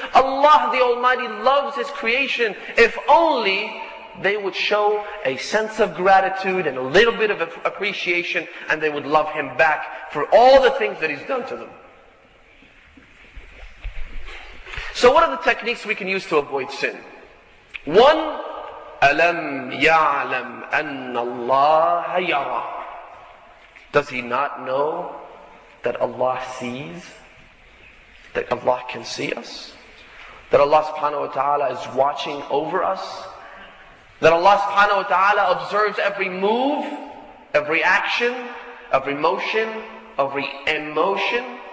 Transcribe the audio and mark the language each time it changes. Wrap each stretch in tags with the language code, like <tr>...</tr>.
<en>Allah the Almighty loves His creation. If only they would show a sense of gratitude and a little bit of appreciation, and they would love Him back for all the things that He's done to them. So what are the techniques we can use to avoid sin? One,</en> <ar>أَلَمْ يَعْلَمْ أَنَّ اللَّهَ يَرَى.</ar> <en>Does he not know that Allah sees? That Allah can see us? That Allah subhanahu wa ta'ala is watching over us? That Allah subhanahu wa ta'ala observes every move, every action, every motion, every emotion.</en>